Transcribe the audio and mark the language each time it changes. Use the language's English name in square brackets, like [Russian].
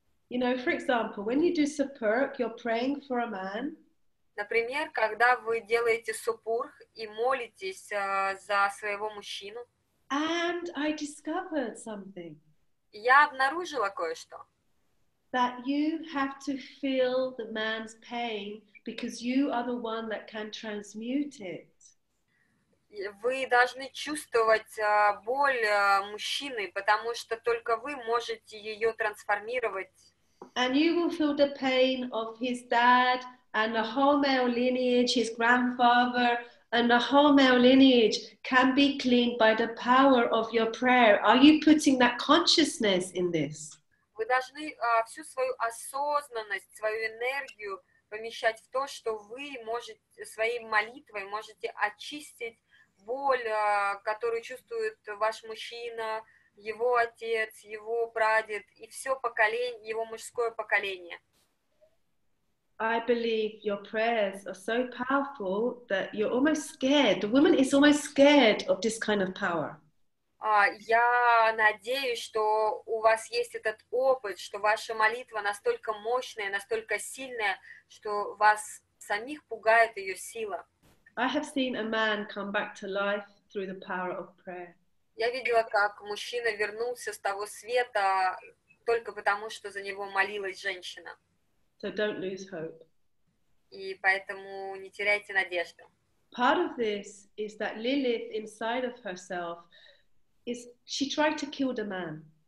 [English] You know, for example, when you do suppurg, you're praying for a man. [Russian] Например, когда вы делаете суппург и молитесь за своего мужчину. [English] And I discovered something. [Russian] Я обнаружила кое-что. [English] That you have to feel the man's pain because you are the one that can transmute it. [Russian] Вы должны чувствовать боль мужчины, потому что только вы можете ее трансформировать. [English] And you will feel the pain of his dad and the whole male lineage, his grandfather, and the whole male lineage can be cleaned by the power of your prayer. Are you putting that consciousness in this? [Russian] Вы должны всю свою осознанность, свою энергию помещать в то, что вы можете своей молитвой можете очистить боль, которую чувствует ваш мужчина. Его отец, его прадед и все поколение, его мужское поколение. [English] I believe your prayers are so powerful that you're almost scared. The woman is almost scared of this kind of power. [Russian] Я надеюсь, что у вас есть этот опыт, что ваша молитва настолько мощная, настолько сильная, что вас самих пугает ее сила. [English] I have seen a man come back to life through the power of prayer. [Russian] Я видела, как мужчина вернулся с того света только потому, что за него молилась женщина. [English] So don't lose hope. [Russian] И поэтому не теряйте надежду. [English] Part of this is that Lilith inside of herself is she tried to kill the man.